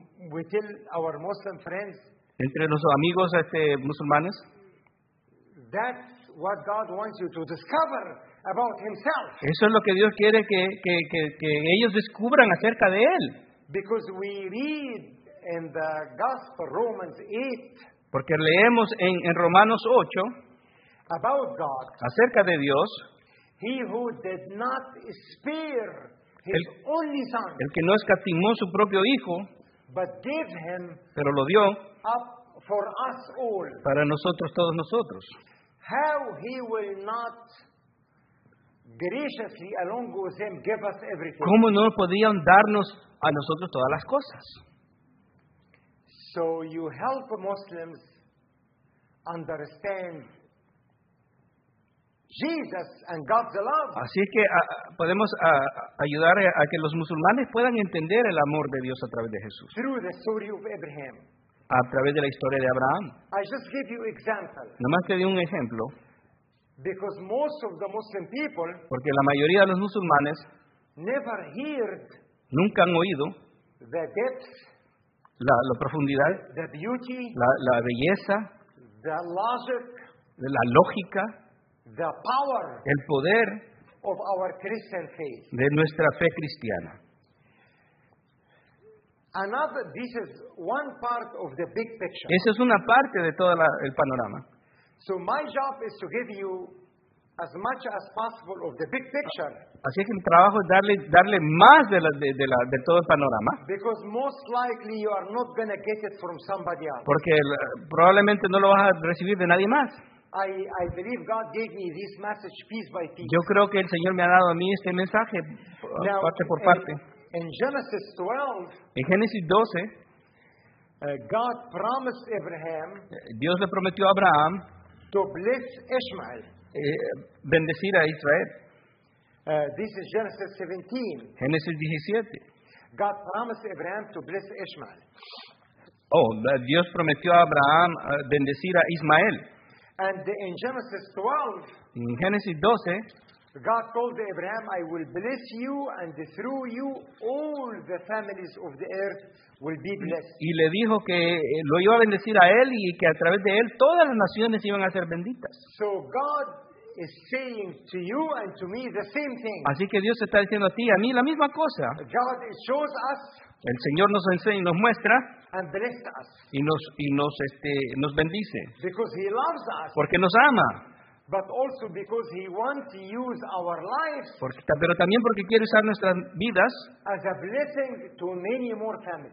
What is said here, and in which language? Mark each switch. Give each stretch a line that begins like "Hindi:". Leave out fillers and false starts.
English: We tell our Muslim friends,
Spanish: entre los amigos musulmanes,
English: that's what God wants you to discover about Himself.
Spanish: Eso es lo que Dios quiere que ellos descubran acerca de Él.
English: Because we read in the Gospel Romans 8,
Spanish: porque leemos en Romanos 8
English: about God,
Spanish: acerca de Dios,
English: He who did not spare His only Son,
Spanish: el que no escatimó su propio Hijo,
English: but gave Him,
Spanish: pero lo dio
English: up for us all,
Spanish: para nosotros, todos nosotros.
English: How He will not graciously along with Him give us everything.
Spanish: ¿Cómo no podían darnos a nosotros todas las cosas?
English: So you help Muslims understand Jesus and God's love.
Spanish: Así que podemos ayudar a que los musulmanes puedan entender el amor de Dios a través de Jesús.
English: Through the story of Abraham.
Spanish: A través de la historia de Abraham.
English: I just give you example.
Spanish: Nomás te di un ejemplo.
English: Because most of the Muslim people,
Spanish: porque la mayoría de los musulmanes,
English: never heard,
Spanish: nunca han oído,
English: the depth,
Spanish: la profundidad,
English: the beauty,
Spanish: la belleza,
English: the logic,
Spanish: la lógica,
English: the power,
Spanish: el poder,
English: of our Christian faith,
Spanish: de nuestra fe cristiana.
English: Another, this is one part of the big picture.
Spanish: Esa es una parte de todo el panorama.
English: So my job is to give you as much as possible of the big picture.
Spanish: Así que mi trabajo es darle más de todo el panorama.
English: Because most likely you are not going to get it from somebody else.
Spanish: Porque probablemente no lo vas a recibir de nadie más.
English: I believe God gave me this message piece by piece.
Spanish: Yo creo que el Señor me ha dado a mí este mensaje parte por parte.
English: In Genesis 12.
Spanish: En Génesis 12.
English: God promised Abraham.
Spanish: Dios le prometió a Abraham.
English: To bless Ishmael.
Spanish: Bendecir a Israel.
English: This is Genesis 17.
Spanish: Génesis 17.
English: God promised Abraham to bless Ishmael.
Spanish: Oh, Dios prometió a Abraham bendecir a Ismael.
English: And in Genesis 12.
Spanish: En Génesis 12.
English: God told Abraham, I will bless you and through you all the families of the earth will be blessed.
Spanish: Y le dijo que lo iba a bendecir a él y que a través de él todas las naciones iban a ser benditas.
English: So God is saying to you and to me the same thing.
Spanish: Así que Dios está diciendo a ti y a mí la misma cosa.
English: God shows us,
Spanish: el Señor nos enseña y nos muestra,
English: and blessed us,
Spanish: y nos bendice.
English: Because He loves us.
Spanish: Porque nos ama.
English: But also because He wants to use our lives,
Spanish: pero también porque quiere usar nuestras vidas,
English: as a blessing to many more families,